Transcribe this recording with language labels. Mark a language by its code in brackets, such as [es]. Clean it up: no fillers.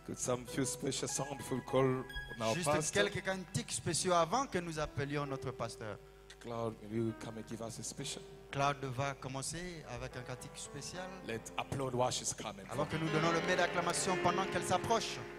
[en] Could some few special song before we call our [fr] Juste [en] pastor. [fr] Quelques cantiques spéciaux avant que nous appelions notre pasteur. [en] Cloud, maybe you come and give us a special. [fr] Cloud va commencer avec un cantique spécial. [en] Let's applaud while she's coming. [fr] Alors que nous donnons le mot d'acclamation pendant qu'elle s'approche.